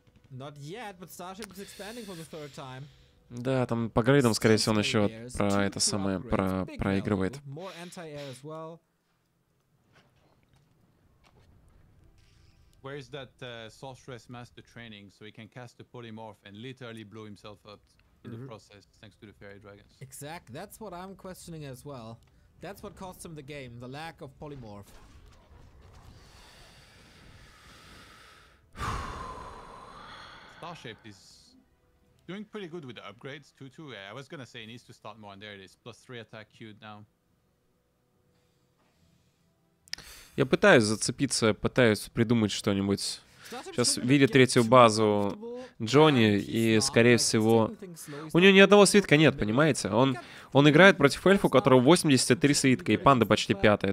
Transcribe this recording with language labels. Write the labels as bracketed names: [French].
[English] Not yet, but Starship is expanding for the third time. [Russian] Да, там по грейдам, скорее всего, он еще про это самое проигрывает. [English] More anti-air as well. Where is that sorceress master training so he can cast a polymorph and literally blow himself up in the process thanks to the fairy dragons? Exactly, that's what I'm questioning as well. That's what cost him the game, the lack of polymorph. Starship is doing pretty good with the upgrades, 2-2. Yeah, I was gonna say he needs to start more, and there it is. Plus 3 attack queued now. [Russian] Я пытаюсь зацепиться, пытаюсь придумать что-нибудь. Сейчас видит третью базу Джонни, и, скорее всего, у него ни одного свитка нет, понимаете? Он играет против эльфа, у которого 83 свитка, и панда почти пятая.